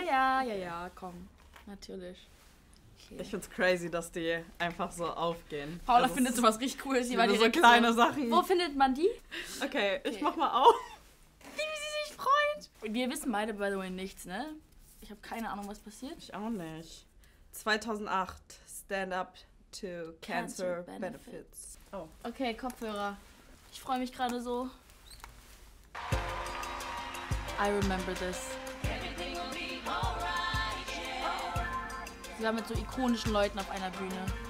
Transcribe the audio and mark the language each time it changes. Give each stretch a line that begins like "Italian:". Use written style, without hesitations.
German: Ja, ja, okay. Ja, komm. Natürlich. Okay. Ich find's crazy, dass die einfach so aufgehen. Paula, das findet sowas richtig cool. Sie war so kleine Sachen. Wo findet man die? Okay, ich mach mal auf. Wie sie sich freut. Wir wissen beide,
English: by the way,
German: nichts, ne? Ich habe keine Ahnung, was passiert. Ich auch nicht.
English: 2008, Stand Up to Cancer Benefits.
German: Oh. Okay, Kopfhörer. Ich freue mich gerade so.
English: I remember this.
German: Sie war mit so ikonischen Leuten auf einer Bühne.